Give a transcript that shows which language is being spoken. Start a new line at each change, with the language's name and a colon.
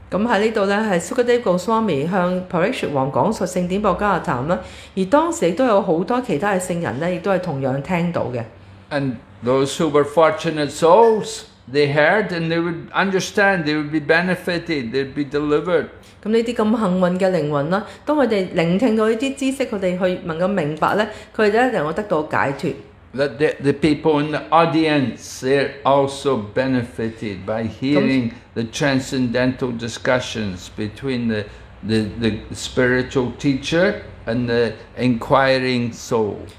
Cantonese: 咁喺呢度咧，係Sukadeva Goswami 向 Parikshit 王講述聖典普加塔啦，而當時亦都有好多其他嘅聖人咧，亦都係同樣聽到嘅。
English: And those who were fortunate souls, they heard and they would understand, they would be benefited, they would be delivered.
Cantonese: 咁呢啲咁幸運嘅靈魂啦，當佢哋聆聽到呢啲知識，佢哋去能夠明白咧，佢哋一定能夠得到解脱。
English: That the people in the audience, they're also benefited by hearing the transcendental discussions between the spiritual teacher and the inquiring soul.